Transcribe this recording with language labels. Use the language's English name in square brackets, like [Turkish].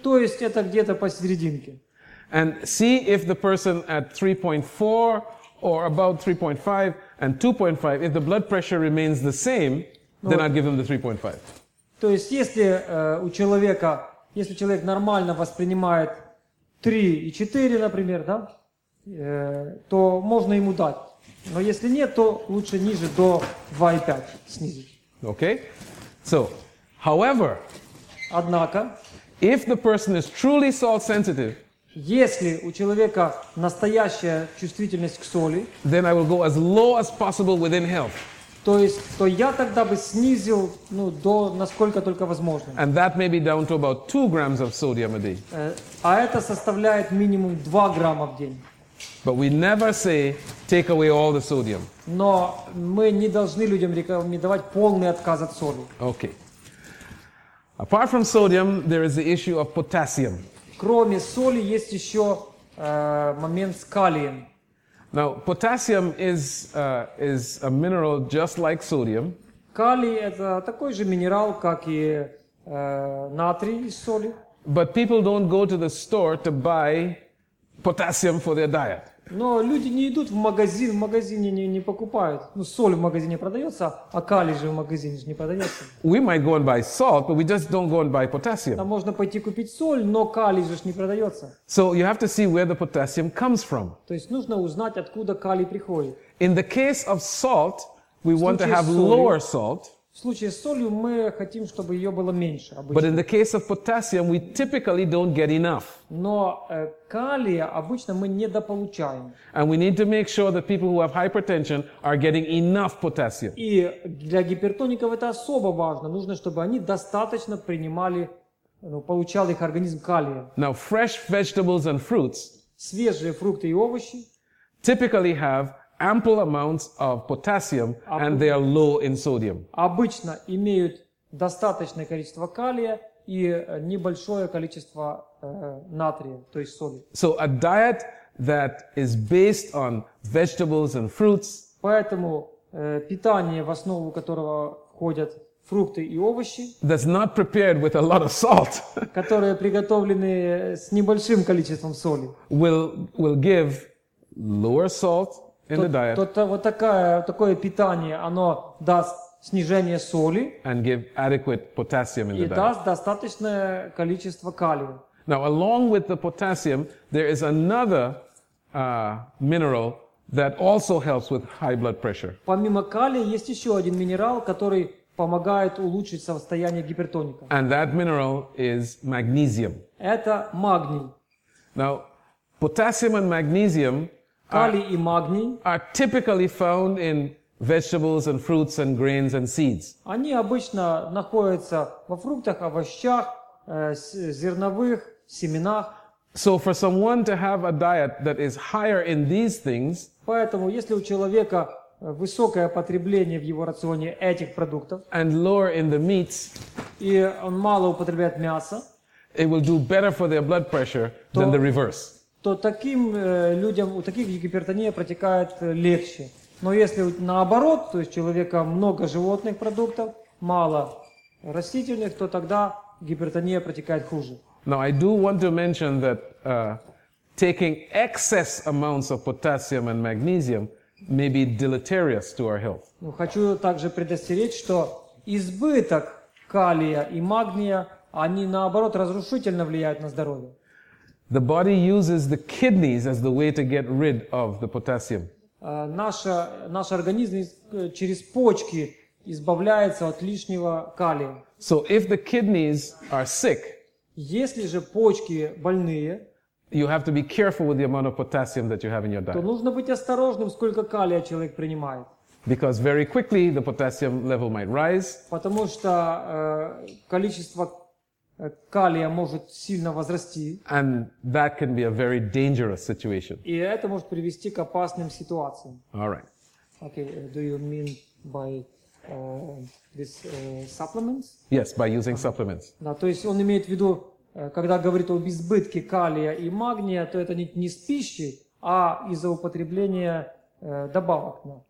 [Russian] То есть это где-то посерединке. [English] And see if the person at 3.4 or about 3.5 and 2.5, if the blood pressure remains the same, then I'd give them the 3.5. [Russian] То есть если у человека, если человек нормально воспринимает 3.4, например, да, то можно ему дать. Но если нет, то лучше ниже, до 2.5 снизить. [English] Okay. So, however, [Russian] однако, [English] if the person is truly salt sensitive, [Russian] если у человека настоящая чувствительность к соли, [English] then I will go as low as possible within health. [Russian] То есть, то я тогда бы снизил, ну, до насколько только возможно. [English] And that may be down to about 2 grams of sodium a day. [Russian] А это составляет минимум 2 грамма в день. [English] But we never say take away all the sodium. [Russian] Но мы не должны людям рекомендовать полный отказ от соли. [English] Okay. Apart from sodium, there is the issue of potassium. [Russian] Кроме соли есть еще момент с калием. [English] Now, potassium is a mineral just like sodium. [Russian] Калий это такой же минерал, как и натрий из соли. [English] But people don't go to the store to buy potassium for their diet. [Russian] Но люди не идут в магазине не покупают. Ну, соль в магазине продается, а калий же в магазине же не продается. [English] We might go and buy salt, but we just don't go and buy potassium. [Russian] Там можно пойти купить соль, но калий же не продается. [English] So you have to see where the potassium comes from. [Russian] То есть нужно узнать, откуда калий приходит. [English] In the case of salt, we want to have lower salt. [Russian] В случае с солью мы хотим, чтобы ее было меньше. Обычно. [English] But in the case of potassium, we typically don't get enough. [Russian] Но калия обычно мы недополучаем. [English] And we need to make sure that people who have hypertension are getting enough potassium. [Russian] И для гипертоников это особо важно. Нужно, чтобы они достаточно принимали, ну, получал их организм калия. [English] Now, fresh vegetables and fruits. [Russian] Свежие фрукты и овощи. [English] Typically have ample amounts of potassium, and they are low in sodium. [Russian] Обычно имеют достаточное количество калия и небольшое количество натрия, то есть соли. [English] So a diet that is based on vegetables and fruits. [Russian] Поэтому питание, в основу которого входят фрукты и овощи. [English] That's not prepared with a lot of salt. [Russian] Которые приготовлены с небольшим количеством соли. [English] Will give lower salt. In the diet. [Russian] То вот такое питание, оно даст снижение соли. [English] And give adequate potassium in the diet. [Russian] И даст достаточное количество калия. [English] Now, along with the potassium, there is another mineral that also helps with high blood pressure. [Russian] Помимо калия есть еще один минерал, который помогает улучшить состояние гипертоника. [English] And that mineral is magnesium. [Russian] Это магний. [English] Now, potassium and magnesium. [Russian] Калий и магний [English] are typically found in vegetables and fruits and grains and seeds. [Russian] Они обычно находятся во фруктах, овощах, зерновых, семенах. [English] So for someone to have a diet that is higher in these things, [Russian] поэтому если у человека высокое потребление в его рационе этих продуктов. [English] And lower in the meats. [Russian] И он мало употребляет мяса. [English] It will do better for their blood pressure than the reverse. [Russian] То таким людям, у таких гипертония протекает легче. Но если наоборот, то есть человека много животных продуктов, мало растительных, то тогда гипертония протекает хуже. [English] Now I do want to mention that taking excess amounts of potassium and magnesium may be deleterious to our health. [Russian] Ну, хочу также предостеречь, что избыток калия и магния, они наоборот разрушительно влияют на здоровье. [English] The body uses the kidneys as the way to get rid of the potassium. [Russian] Наш организм через почки избавляется от лишнего калия. [English] So if the kidneys are sick, [Russian] если же почки больные, [English] you have to be careful with the amount of potassium that you have in your diet. [Russian] То нужно быть осторожным, сколько калия человек принимает. [English] Because very quickly the potassium level might rise. [Russian] Потому что количество калия может сильно возрасти. [English] And that can be a very dangerous situation. [Russian] И это может привести к опасным ситуациям. [English] All right. Okay, do you mean by this supplements? Yes, by using supplements. [Russian] Да, то есть он имеет в виду, когда говорит об избытке калия и магния, то это не с пищей, а из-за употребления добавок.